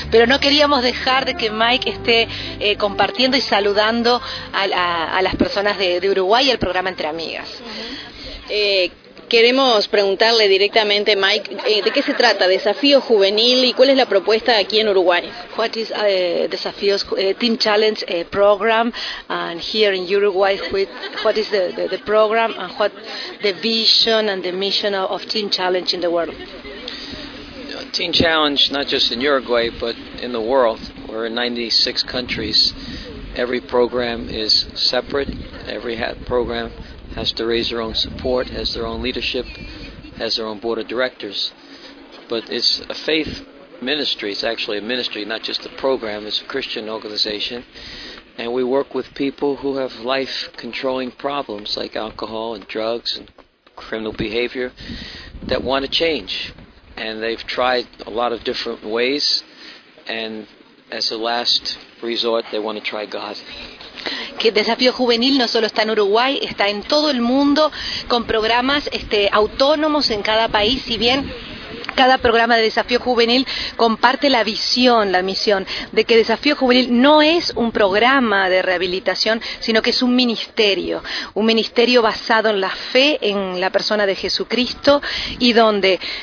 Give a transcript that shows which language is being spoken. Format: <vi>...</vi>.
<es>Pero no queríamos dejar de que Mike esté compartiendo y saludando a las personas de Uruguay y al programa Entre Amigas. Uh-huh. Queremos preguntarle directamente, Mike, ¿de qué se trata Desafío Juvenil y cuál es la propuesta aquí en Uruguay?</es> <en>What is Desafío's Team Challenge program and here in Uruguay? What is the program and what the vision and the mission of Team Challenge in the world? Team Challenge, not just in Uruguay, but in the world. We're in 96 countries. Every program is separate. Every program has to raise their own support, has their own leadership, has their own board of directors. But it's a faith ministry. It's actually a ministry, not just a program. It's a Christian organization. And we work with people who have life-controlling problems like alcohol and drugs and criminal behavior that want to change. And they've tried a lot of different ways. And as a last resort, they want to try God.</en> <es>Que Desafío Juvenil no solo está en Uruguay, está en todo el mundo con programas autónomos en cada país, si bien cada programa de Desafío Juvenil comparte la visión, la misión de que Desafío Juvenil no es un programa de rehabilitación, sino que es un ministerio basado en la fe, en la persona de Jesucristo, y donde</es>